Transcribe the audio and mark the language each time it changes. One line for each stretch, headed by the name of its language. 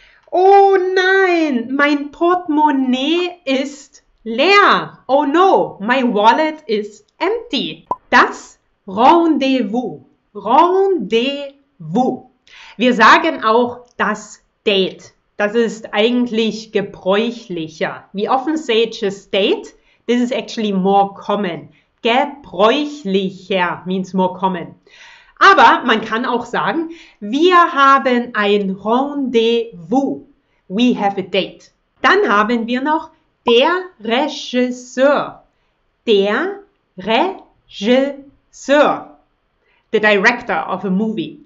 German: Oh nein, mein Portemonnaie ist leer.
English: Oh no, my wallet is empty.
German: Das Rendezvous. Rendezvous. Wo? Wir sagen auch das Date. Das ist eigentlich gebräuchlicher.
English: We often say just date. This is actually more common. Gebräuchlicher means more common.
German: Aber man kann auch sagen, wir haben ein Rendezvous.
English: We have a date.
German: Dann haben wir noch der Regisseur. Der Regisseur.
English: The director of a movie.